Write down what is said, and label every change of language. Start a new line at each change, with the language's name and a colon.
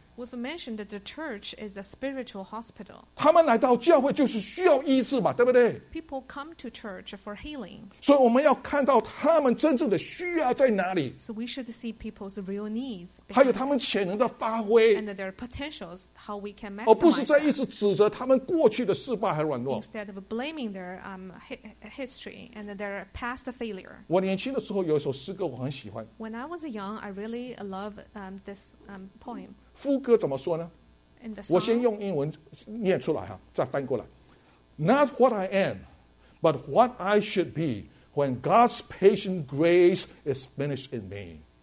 English: We've mentioned that the church is a spiritual hospital.
Chinese: 他们来到教会就是需要医治嘛，对不对？
English: People come to church for healing.
Chinese: 所以我们要看到他们真正的需要在哪里。
English: So we should see people's real needs.
Chinese: 还有他们潜能的发挥。
English: And their potentials, how we can maximize.
Chinese: 而不是在一直指责他们过去的失败和软弱。
English: Instead of blaming their history and their past failure.
Chinese: 我年轻的时候有一首诗歌我很喜欢。
English: When I was young, I really loved this poem.
Chinese: 副歌怎么说呢? 我先用英文念出来，再翻过来。
English: Not what I am, but what I should be when God's patient grace is finished in me.